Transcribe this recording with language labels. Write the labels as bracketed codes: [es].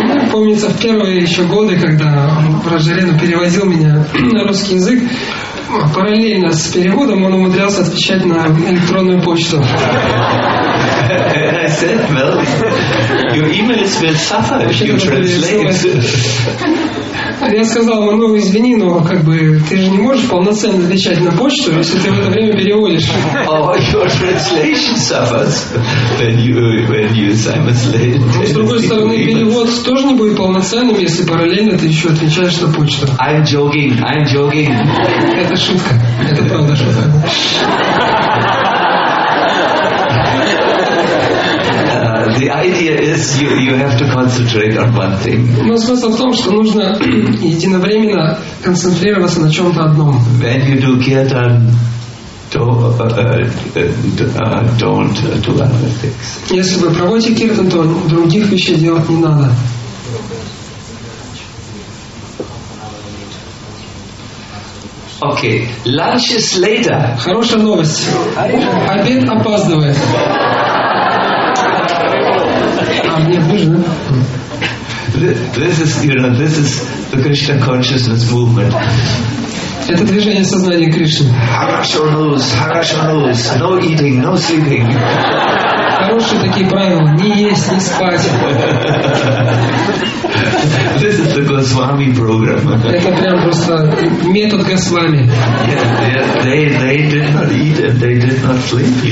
[ru] Помнится, в первые еще годы, когда Прожарену переводил меня на русский язык, параллельно с переводом он умудрялся отвечать на электронную почту. [en] And I said, well, your emails will suffer if you translate. [ru] Я сказал ему, ну извини, но как бы ты же не можешь полноценно отвечать на почту, если ты в это время переводишь. [en] Oh, your translation suffers when you simultaneously. [ru] С другой стороны, перевод тоже не будет полноценным, если параллельно ты еще отвечаешь на почту. [en] I'm joking. [ru] Это шутка. Это правда шутка. [en] The idea is you have to concentrate on one thing. [ru] Но смысл в том, что нужно единовременно концентрироваться на чем-то одном. [en] When you do kirtan, don't do other things. [ru] Если вы проводите киртан, то других вещей делать не надо. [en] Okay, lunch is later. [ru] Хорошая новость. Обед опаздывает. Mm-hmm. [en] this is the Krishna consciousness movement. [ru] Это движение сознания Кришны. [en] Harsh or loose. No eating, no sleeping. [ru] Хорошие такие правила. Не есть, не спать. [en] This is the Goswami program. [ru] Это прям просто метод Госвами. [en] They did not eat and they did not sleep.